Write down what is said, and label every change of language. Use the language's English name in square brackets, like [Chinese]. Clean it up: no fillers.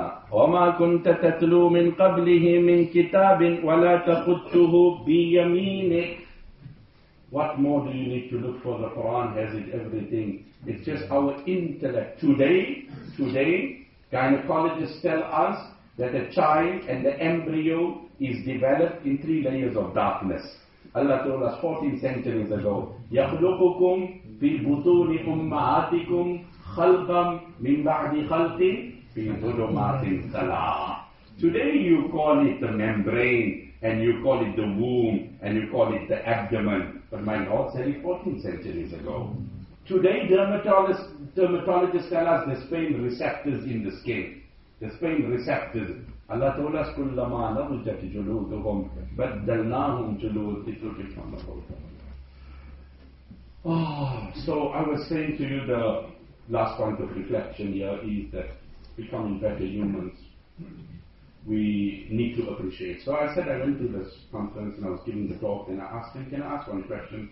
[Arabic] وَمَا كُنْتَ تَتْلُو مِنْ قَبْلِهِ مِنْ كِتَابٍ وَلَا تَخُطُّهُ بِيَمِينِكَ. [English] What more do you need to look for? The Quran has it, everything. It's just our intellect. Today, gynecologists tell us that the child and the embryo is developed in three layers of darkness. Allah told us 14 centuries ago, [Arabic] يَخْلُقُكُمْ فِي بُطُونِ أُمَّهَاتِكُمْ خَلْقًا مِنْ بَعْدِ خَلْقٍ فِي ظُلُمَاتٍ ثَلَاثٍ. [English] Today you call it the membrane, and you call it the womb, and you call it the abdomen. But my Lord said it 14 centuries ago. Today dermatologists tell us there's pain receptors in the skin. The pain receptors. Allah told us, [Arabic] كُلَّمَا نَضُجَتْ جُلُودُهُمْ بَدَّلْنَاهُمْ جُلُودِهُمْ. [English] Oh, so I was saying to you, the last point of reflection here is that becoming better humans, we need to appreciate. So I said, I went to this conference and I was giving the talk and I asked him, can I ask one question?